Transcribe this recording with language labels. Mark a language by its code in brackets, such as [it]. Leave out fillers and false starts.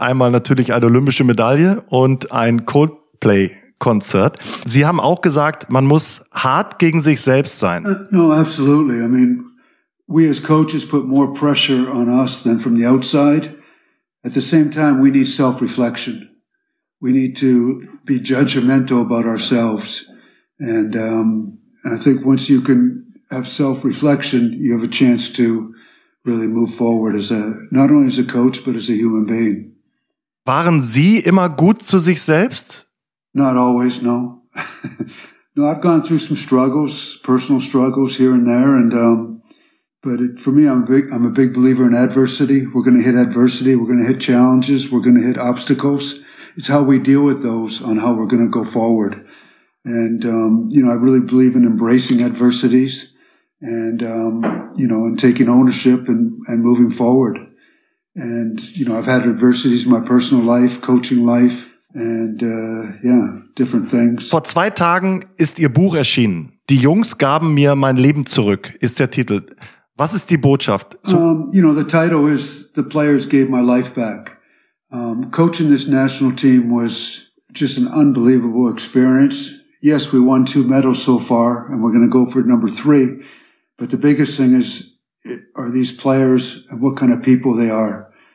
[de] Einmal natürlich eine olympische Medaille und ein Coldplay Konzert. Sie haben auch gesagt, man muss hart gegen sich selbst sein. [en] No, absolutely. I mean, we as coaches put more pressure on us than from the outside. At the same time, we need self-reflection. We need to be judgmental about ourselves. And I think once you can have self-reflection, you have a chance to really move forward not only as a coach, but as a human being. [de] Waren Sie immer gut zu sich selbst? [en] Not always, no. No, I've gone through some struggles, personal struggles here and there. But for me, I'm a big believer in adversity. We're going to hit adversity. We're going to hit challenges. We're going to hit obstacles. It's how we deal with those on how we're going to go forward. And I really believe in embracing adversities and taking ownership and moving forward. And, you know, I've had adversities in my personal life, coaching life. And different things. [de] Vor zwei Tagen ist Ihr Buch erschienen. Die Jungs gaben mir mein Leben zurück, ist der Titel. Was ist die Botschaft? [en] The title is The Players Gave My Life Back. Coaching this national team was just an unbelievable experience. Yes, we won 2 medals so far, and we're going to go for number 3. But the biggest thing are these players and what kind of people they are.